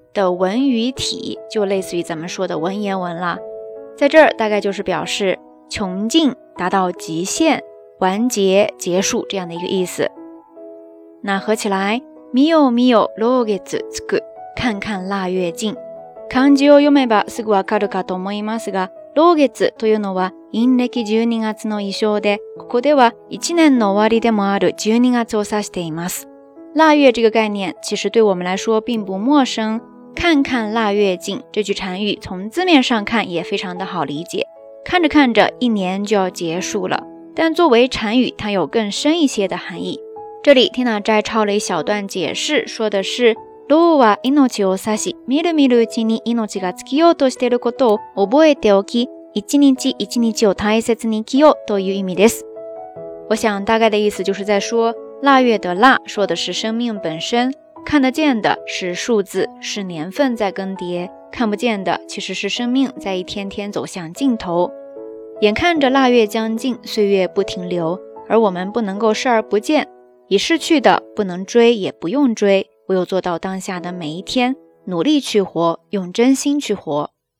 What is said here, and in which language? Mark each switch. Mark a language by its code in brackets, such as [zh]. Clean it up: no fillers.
[zh] 的文语体，就类似于咱们说的文言文了，在这儿大概就是表示穷尽，达到极限，完结，结束，这样的一个意思。那合起来 [ja] 見よ見よ老月つく， [zh] 看看腊月近。 [ja] 漢字を読めばすぐわかるかと思いますが、老月というのは陰暦12月の意象で、ここでは1年の終わりでもある12月を指しています。 [zh] 腊月这个概念其实对我们来说并不陌生，看看腊月近，这句禅语从字面上看也非常的好理解，看着看着一年就要结束了。但作为禅语，它有更深一些的含义。这里 Tina 摘抄了一小段解释，说的是 [ja] 老は命を指し、みるみるうちに命が尽きようとしていることを覚えておき、一日一日を大切に生きようという意味です。 [zh] 我想大概的意思就是在说，腊月的腊说的是生命本身，看得见的是数字，是年份在更迭，看不见的其实是生命在一天天走向尽头。眼看着腊月将近，岁月不停留，而我们不能够视而不见，已逝去的不能追也不用追，唯有做到当下的每一天，努力去活，用真心去活。